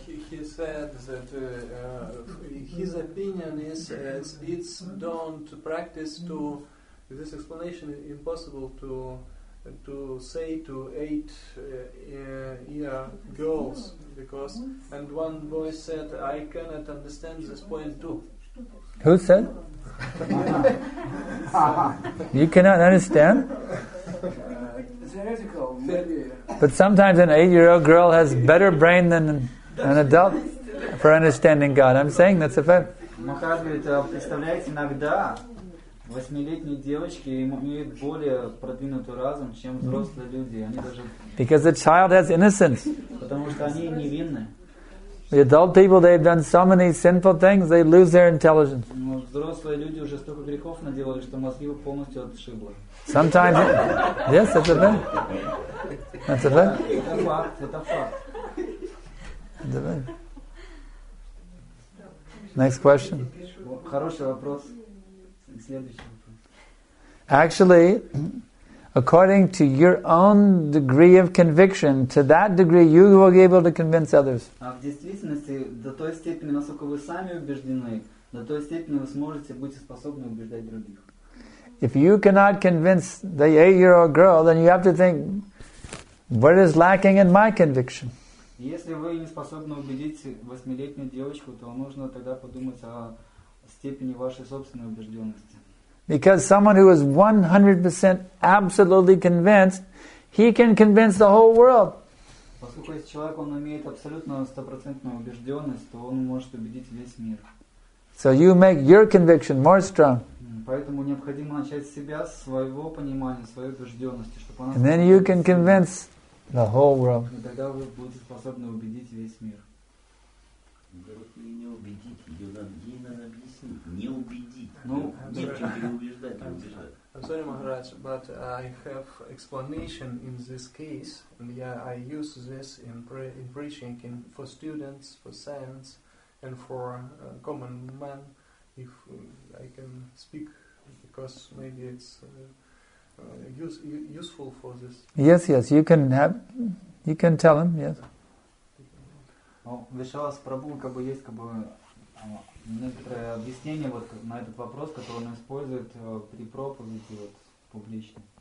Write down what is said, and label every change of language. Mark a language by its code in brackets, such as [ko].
[en] He said that his opinion is it's don't practice to this explanation impossible to say to 8 year girls because and one boy said I cannot understand this point too. Who said? You cannot understand? Theoretical, maybe. But sometimes an 8-year-old girl has better brain than an adult for understanding God. I'm saying that's a fact. [ru] Махарадж говорит, представляете, иногда 8-летние девочки имеют более продвинутый разум, чем взрослые люди. [en] Because the child has innocence. [ru] Потому что они невинны. [en] The adult people, they've done so many sinful things, they lose their intelligence. [ru] Взрослые люди уже столько грехов наделали, что мозги его полностью отшибло. [en] Sometimes, yes, that's a fact. That's a fact. [ru] Это факт, это факт. [en] That's a fact. Next question. [ru] Хороший вопрос. Следующий вопрос. [en] Actually, according to your own degree of conviction, to that degree you will be able to convince others. [ru] А в действительности, до той степени, насколько вы сами убеждены, до той степени вы сможете быть способны убеждать других. [en] If you cannot convince the 8-year-old girl, then you have to think, what is lacking in my conviction? [ru] Если вы не способны убедить 8-летнюю девочку, то нужно тогда подумать о степени вашей собственной убежденности. [en] Because someone who is 100% absolutely convinced, he can convince the whole world. [ru] Поскольку если человек он имеет абсолютно 100% убежденность, то он может убедить весь мир. [en] So you make your conviction more strong. [ru] Поэтому необходимо начать с себя, своего понимания, своей убежденности, чтобы она. [en] And then you can convince the whole world. [ru] И тогда вы будете способны убедить весь мир. Не убедить, ее надо, ей надо объяснить. Не убедить. Ну, не убеждать. [en] I'm sorry, Maharaj, but I have explanation in this case, and yeah, I use this in preaching in for students, for saints, and for common men, if I can speak, because maybe it's useful for this. Yes, yes, you can have, you can tell him, yes. [ru] Ну, Вишалас Прабху, как бы есть как бы некоторое объяснение вот на этот вопрос, который он использует при проповеди вот публично.